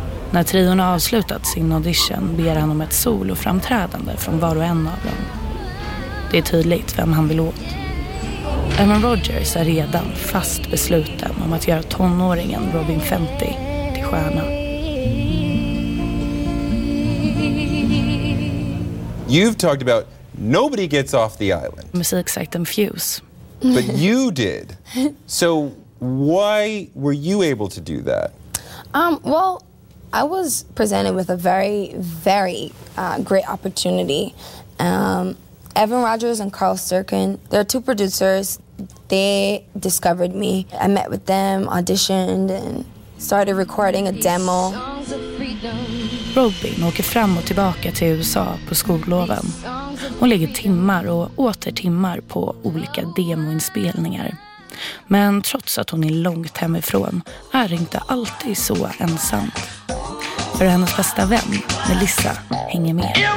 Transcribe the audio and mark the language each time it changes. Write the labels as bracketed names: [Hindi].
[Swedish] När trion har avslutat sin audition ber han om ett soloframträdande från var och en av dem. Det är tydligt vem han vill åt. Evan Rogers är redan fast besluten om att göra tonåringen Robin 50 till stjärna. [English] You've talked about nobody gets off the island. [Swedish] Musiksajten Fuse. [English] But you did. So why were you able to do that? Well, I was presented with a very, very great opportunity. Evan Rogers and Carl Sturken, they're two producers. They discovered me. I met with them, auditioned, and started recording a demo. [Swedish] Robin åker fram och tillbaka till USA på skolloven. Hon lägger timmar och åter timmar på olika demoinspelningar. Men trots att hon är långt hemifrån är det inte alltid så ensam. För hennes bästa vän, Melissa, hänger med.